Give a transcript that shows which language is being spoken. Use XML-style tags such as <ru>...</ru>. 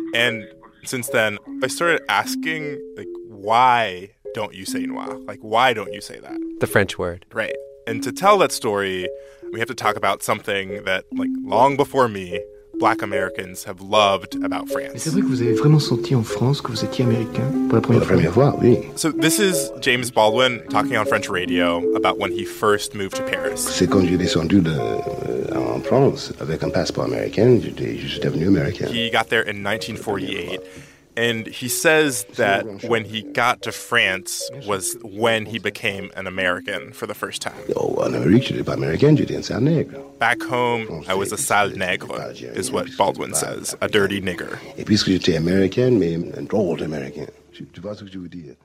<en>And since then, I started asking, like, why don't you say noir? Like, why don't you say that? The French word. Right. And to tell that story, we have to talk about something that, like, long before me, Black Americans have loved about France.</en> <fr>C'est vrai que vous avez vraiment senti en France que vous étiez américain pour la première fois.</fr> <en>So this is James Baldwin talking on French radio about when he first moved to Paris.</en> <fr>C'est quand j'ai descendu en France avec un passeport américain, j'étais devenu américain.</fr> <en>He got there in 1948. And he says that when he got to France was when he became an American for the first time. Back home, I was a</en> <fr>sale nègre,</fr> <en>is what Baldwin says, a dirty nigger.</en>